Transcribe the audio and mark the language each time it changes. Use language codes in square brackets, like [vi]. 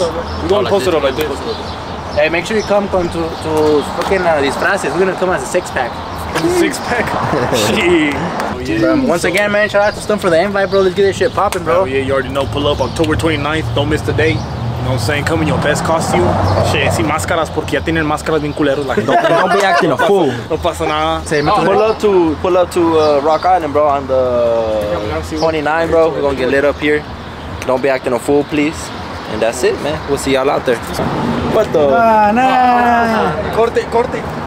[en] We're gonna post it up like this. Hey, make sure you come to fucking disfraces. We're gonna come as a six pack. Six pack? Once again, man, shout out to Stun for the invite, bro. Let's get this shit popping, bro. Oh, yeah, you already know. Pull up October 29th. Don't miss the date. know what I'm saying? Come in your best costume. [es] Shit, sin máscaras, porque ya tienen máscaras bien culeros. [en] Like, don't be acting a fool. [es] No pasa nada. [en] Pull up to Rock Island, bro, on the 29, bro. We're gonna get lit up here. Don't be acting a fool, please. And that's it, man. We'll see y'all out there. What the? [es] Corte.